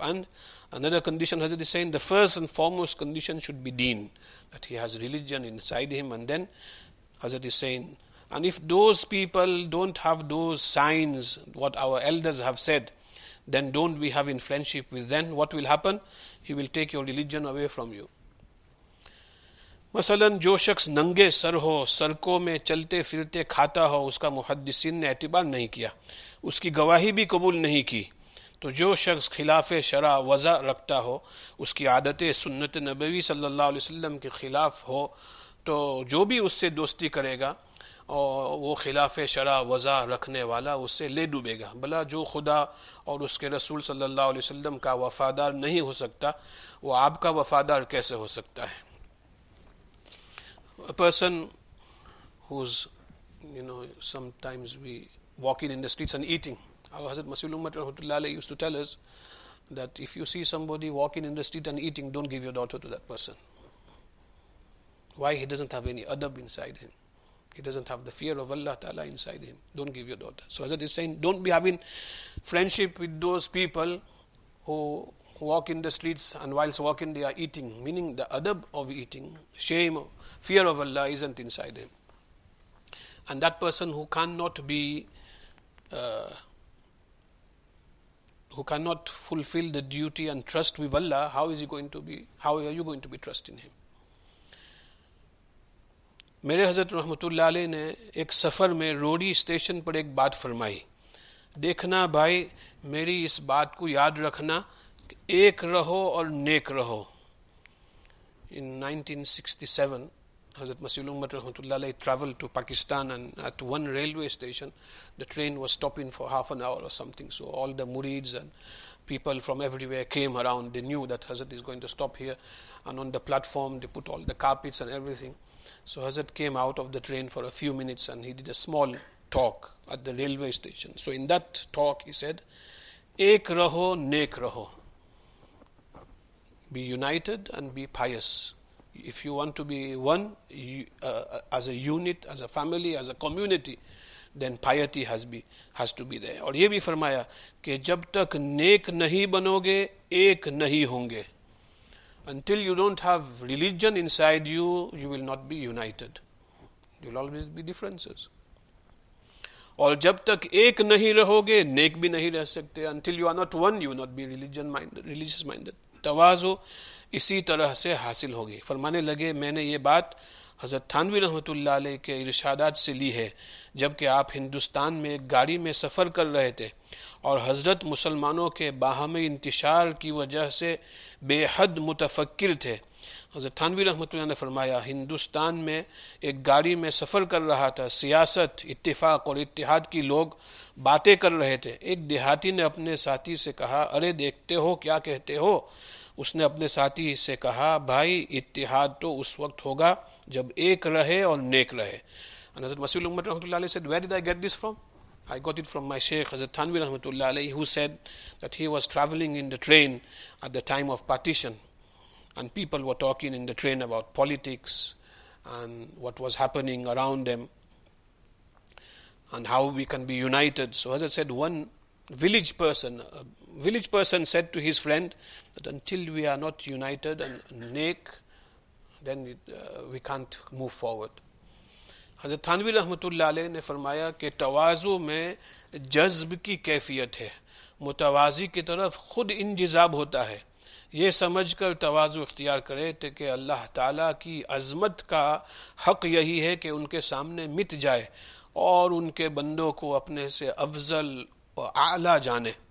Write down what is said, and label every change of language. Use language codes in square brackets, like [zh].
[en] And another condition, Hazrat is saying, the first and foremost condition should be deen, that he has religion inside him. And then Hazrat is saying, and if those people don't have those signs what our elders have said, then don't be having friendship with them. What will happen? He will take your religion away from you. [ur] مثلاً جو شخص ننگے سر ہو, سڑکوں میں چلتے پھرتے کھاتا ہو, اس کا محدثین نے اعتبار نہیں کیا, اس کی گواہی بھی قبول نہیں کی, تو جو شخص خلاف شرع وضع رکھتا ہو, اس کی عادت سنت نبوی صلی اللہ علیہ وسلم کے خلاف ہو, تو جو بھی اس سے دوستی کرے گا اور وہ خلاف شرع وضع رکھنے والا اس سے لے ڈوبے گا. بھلا جو خدا اور اس کے رسول صلی اللہ علیہ وسلم کا وفادار نہیں ہو سکتا, وہ آپ کا وفادار کیسے ہو سکتا ہے؟ [en] A person who's, you know, sometimes we walking in the streets and eating. Our Hazrat Masih Ummat Rahmatullahi used to tell us that if you see somebody walking in the street and eating, don't give your daughter to that person. Why? He doesn't have any adab inside him. He doesn't have the fear of Allah Ta'ala inside him. Don't give your daughter. So Hazrat is saying, don't be having friendship with those people who walk in the streets and whilst walking they are eating. Meaning the adab of eating, shame, fear of Allah isn't inside him. And that person who cannot be... who cannot fulfill the duty and trust with Allah, how is he going to be, how are you going to be trusting him? [ur] میرے حضرت رحمت اللہ علیہ نے ایک سفر میں روڑی station پر ایک بات فرمائی, دیکھنا بھائی میری اس بات کو یاد رکھنا, ایک رہو اور نیک رہو. [en] In 1967, حضرت مسیح الامت رحمۃ اللہ علیہ traveled to Pakistan and at one railway station, the train was stopping for half an hour or something. So all the murids and people from everywhere came around. They knew that Hazrat is going to stop here. And on the platform, they put all the carpets and everything. So Hazrat came out of the train for a few minutes and he did a small talk at the railway station. So in that talk, he said, [ur] Ek raho, nek raho. [en] Be united and be pious. If you want to be one, as a unit, as a family, as a community, then piety has to be there. [ur] اور یہ بھی فرمایا کہ جب تک نیک نہیں بنو گے ایک نہیں ہوں گے. [en] Until you don't have religion inside you, you will not be united. You will always be differences. [ur] اور جب تک ایک نہیں رہو گے نیک بھی نہیں رہ سکتے. [en] Until you are not one, you will not be religious minded. [ur] توازو اسی طرح سے حاصل ہوگی. فرمانے لگے میں نے یہ بات حضرت تھانوی رحمت اللہ علیہ کے ارشادات سے لی ہے جبکہ آپ ہندوستان میں ایک گاڑی میں سفر کر رہے تھے اور حضرت مسلمانوں کے باہمی انتشار کی وجہ سے بے حد متفکر تھے. حضرت تھانوی رحمت اللہ نے فرمایا ہندوستان میں ایک گاڑی میں سفر کر رہا تھا, سیاست اتفاق اور اتحاد کی لوگ باتیں کر رہے تھے. ایک دیہاتی نے اپنے ساتھی سے کہا ارے دیکھتے ہو کیا کہتے ہو؟ اس نے اپنے ساتھی سے کہا بھائی اتحاد تو اس وقت ہوگا جب ایک رہے اور نیک رہے. [en] And Hazrat Masih Ummat Rahmatullahi said, where did I get this from? I got it from my Sheikh Hazrat Thanvi Rahmatullahi, who said that he was traveling in the train at the time of partition and people were talking in the train about politics and what was happening around them and how we can be united. So Hazrat said, one village person, a village person said to his friend that until we are not united and nake, then we can't move forward. [ur] حضرت تھانوی رحمت اللہ علیہ نے فرمایا کہ توازو میں جذب کی کیفیت ہے, متوازی کی طرف خود انجذاب ہوتا ہے. یہ سمجھ کر توازو اختیار کرے کہ اللہ تعالیٰ کی عظمت کا حق یہی ہے کہ ان کے سامنے مٹ جائے اور ان کے بندوں کو اپنے سے افضل و اعلیٰ جانے.